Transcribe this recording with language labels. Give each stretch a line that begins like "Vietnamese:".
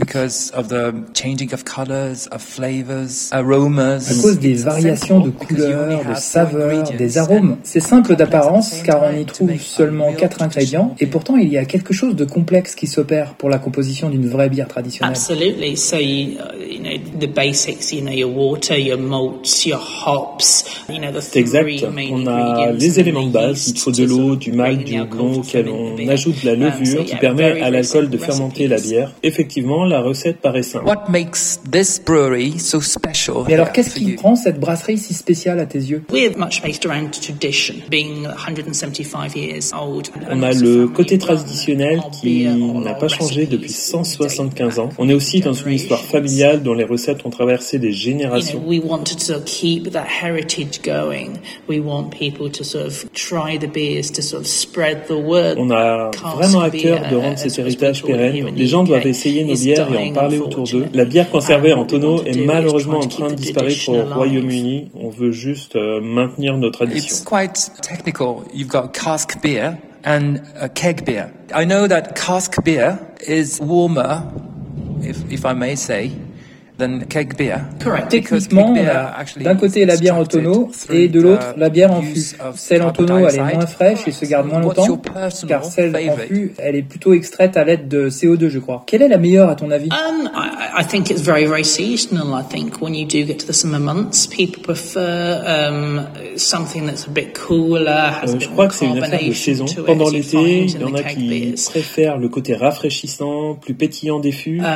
English: Because of the changing of colors, of flavors, aromas.
French: À cause des variations de couleurs, de saveurs, des arômes. C'est simple d'apparence car on y trouve seulement 4 ingrédients et pourtant il y a quelque chose de complexe qui s'opère pour la composition d'une vraie bière traditionnelle.
English: Absolutely. So the basics, your water, your malts, your hops.
French: C'est exact. On a les éléments de base. Il faut de l'eau, du malt, du houblon auquel on ajoute de la levure qui permet à l'alcool de fermenter la bière. Effectivement, la recette paraît simple.
English: What makes this brewery so special?
French: Mais alors, qu'est-ce qui rend cette brasserie si spéciale à tes yeux?
English: We're much based around tradition, being 175 years old.
French: On a le côté traditionnel qui n'a pas changé depuis 175 ans. On est aussi dans une histoire familiale dont les recettes ont traversé des générations.
English: We wanted to keep that heritage going. We want people to sort of try the beers to sort of spread the word.
French: On a vraiment à cœur de rendre cet héritage pérenne. Les gens doivent essayer nos bières et en parler autour d'eux. La bière conservée en tonneau est malheureusement en train de disparaître au Royaume-Uni. On veut juste maintenir nos traditions.
English: It's quite technical. You've got cask beer and a keg beer. I know that cask beer is warmer, if I may say, than keg beer.
French: Techniquement, d'un côté la bière en tonneau et de l'autre la bière en fût. Celle en tonneau, elle est moins fraîche et se garde moins longtemps, car celle en fût, elle est plutôt extraite à l'aide de CO2, je crois. Quelle est la meilleure, à ton avis?
English: I think it's very, very seasonal. I think when you do get to the summer months, people prefer something that's a bit cooler.
French: Je crois que c'est une affaire de saison. Pendant l'été, il y en a qui préfèrent le côté rafraîchissant, plus pétillant des fûts.